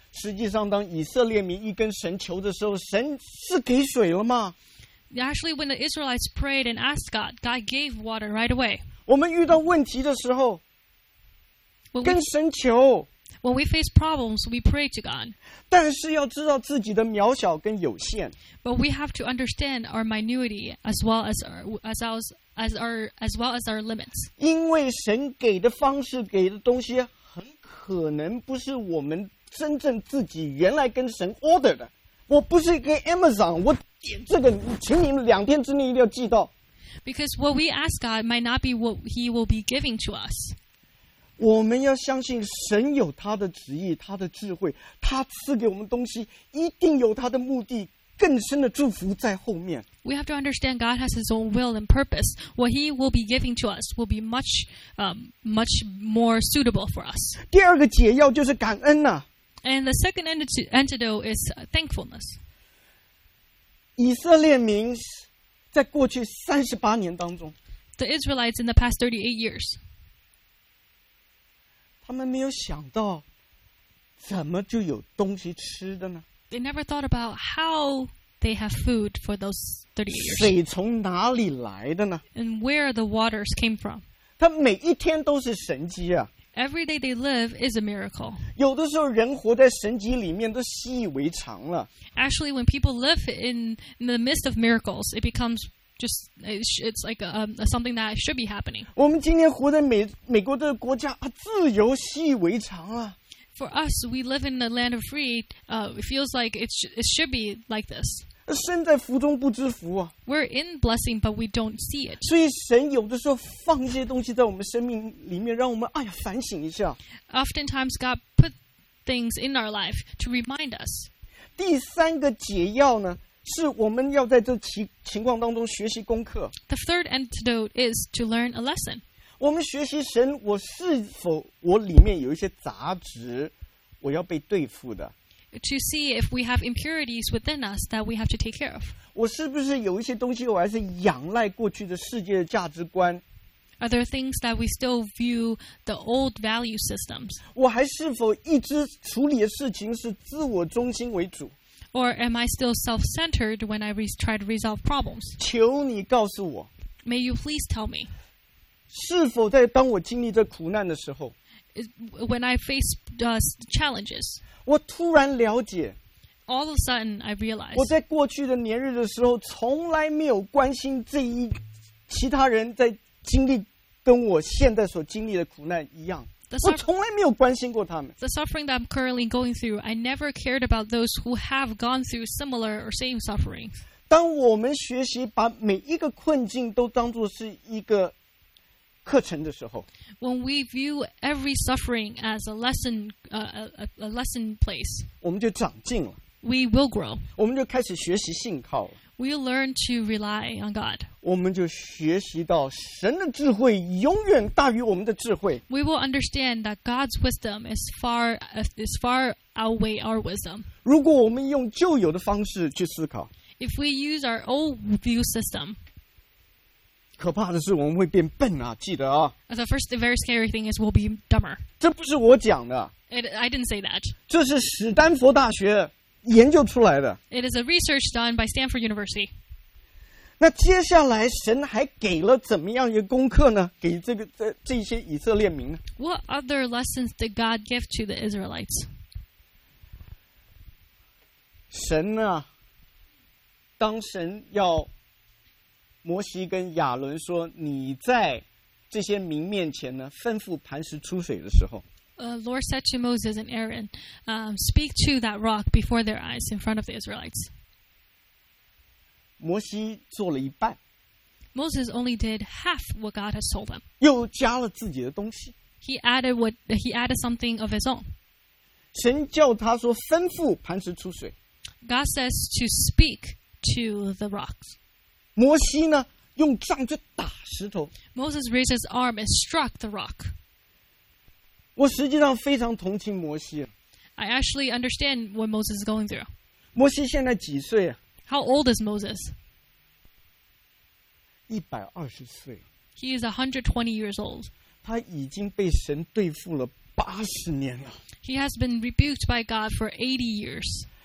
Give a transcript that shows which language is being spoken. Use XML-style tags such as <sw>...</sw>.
<zh>实际上当以色列民一跟神求的时候，神是给水了吗？</zh> <en>Actually, when the Israelites prayed and asked God, God gave water right away.</en> <zh>我们遇到问题的时候，跟神求。</zh> <en>When we face problems, we pray to God.</en> <zh>但是要知道自己的渺小跟有限。</zh> <en>But we have to understand our minority as well as our limits.</en> <zh>因为神给的方式给的东西很可能不是我们真正自己原来跟神 order 的。我不是一个 Amazon, 我这个请你们两天之内一定要寄到。</zh> <en>Because what we ask God might not be what he will be giving to us.</en> <zh>我们要相信神有他的旨意，他的智慧，他赐给我们东西一定有他的目的，更深的祝福在后面。</zh> <en>We have to understand God has his own will and purpose. What he will be giving to us will be much, much more suitable for us.</en> <zh>第二个解药就是感恩呐。</zh> <en>And the second antidote is thankfulness.</en> <zh>以色列民在过去38年当中</zh> <en>，The Israelites in the past 38 years.</en> <zh>他们没有想到怎么就有东西吃的呢</zh> <en>They never thought about how they have food for those 30 years.</en> <zh>水从哪里来的呢</zh> <en>And where the waters came from.</en> <zh>他每一天都是神迹啊</zh> <en>Every day they live is a miracle.</en> <zh>有的时候人活在神迹里面都习以为常了</zh> <en>Actually, when people live in the midst of miracles, it becomesIt's like something that should be happening.</en> <zh>我们今天活在美国的国家啊，自由习以为常啊。</zh> <en>For us, we live in the land of free. It feels like it should be like this.</en> <zh>身在福中不知福啊。</zh> <en>We're in blessing, but we don't see it.</en> <zh>所以神有的时候放一些东西在我们生命里面，让我们哎呀反省一下。</zh> <en>Oftentimes, God put things in our life to remind us.</en> <zh>第三个解药呢？是我们要在这情况当中学习功课。</zh> <en>The third antidote is to learn a lesson.</en> <zh>我们学习神，我是否我里面有一些杂质，我要被对付的。</zh> <en>To see if we have impurities within us that we have to take care of.</en> <zh>我是不是有一些东西，我还是仰赖过去的世界的价值观？</zh> <en>Are there things that we still view the old value systems?</en> <zh>我还是否一直处理的事情是自我中心为主？</zh> <en>Or am I still self-centered when I try to resolve problems?</en> <zh>求你告诉我。</zh> <en>May you please tell me.</en> <zh>是否在当我经历这苦难的时候</zh> <en>，When I face challenges,</en> <zh>我突然了解。</zh> <en>All of a sudden, I realize.</en> <zh>我在过去的年日的时候，从来没有关心其他人在经历跟我现在所经历的苦难一样。我从来没有关心过他们。</zh> <en>The suffering that I'm currently going through, I never cared about those who have gone through similar or same sufferings.</en> <zh>当我们学习把每一个困境都当作是一个课程的时候</zh> <en>，When we view every suffering as a lesson, a lesson place,</en> <zh>我们就长进了。</zh> <en>We will grow.</en> <zh>我们就开始学习信靠了。</zh> <en>We learn to rely on God.</en> <zh>我们就学习到神的智慧永远大于我们的智慧。</zh> <en>We will understand that God's wisdom is far outweigh our wisdom.</en> <zh>如果我们用旧有的方式去思考</zh> <en>，If we use our old view system,</en> <zh>可怕的是我们会变笨啊，记得啊。</zh> <en>The first, the very scary thing is we'll be dumber.</en> <zh>这不是我讲的。</zh> <en>I didn't say that.</en> <zh>这是史丹佛大学研究出来的。</zh> <en>It is a research done by Stanford University.</en> <zh>那接下来神还给了怎么样一个功课呢？给这个这些以色列民呢</zh> <en>？What other lessons did God give to the Israelites?</en> <zh>神啊，当神要摩西跟亚伦说你在这些民面前呢吩咐磐石出水的时候。</zh> <en>Lord said to Moses and Aaron, speak to that rock before their eyes in front of the Israelites.</en> <zh>摩西做了一半。</zh> <en>Moses only did half what God has told him.</en> <zh>又加了自己的东西。</zh> <en>He added something of his own.</en> <zh>神叫他说吩咐磐石出水。</zh> <en>God says to speak to the rocks.</en> <zh>摩西呢用杖去打石头。</zh> <en>Moses raised his arm and struck the rock.</en> <zh>我实际上非常同情摩西。</zh> <en>I actually understand what Moses is going through.</en> <zh>摩西现在几岁啊</zh> <en>？How old is Moses?</en> <zh>120岁。</zh> <en>He is 120 years old.</en> <zh>他已经被神对付了80年了。</zh> <en>He has been rebuked by God for 80 years.</en>